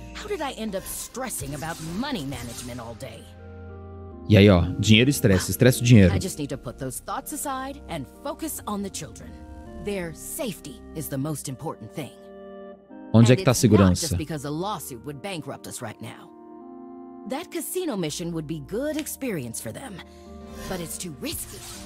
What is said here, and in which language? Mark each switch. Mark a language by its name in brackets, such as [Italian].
[English] How did I end up stressing about money management all day? [Portuguese] E aí, ó, dinheiro e estresse, estresse e dinheiro. [English] I just need to put those thoughts aside and focus on the children. Their safety is the most important thing. [Portuguese] Onde é que tá a segurança? [English] Not just because a lawsuit would bankrupt us right now. That casino mission would be good experience for them, but it's too risky.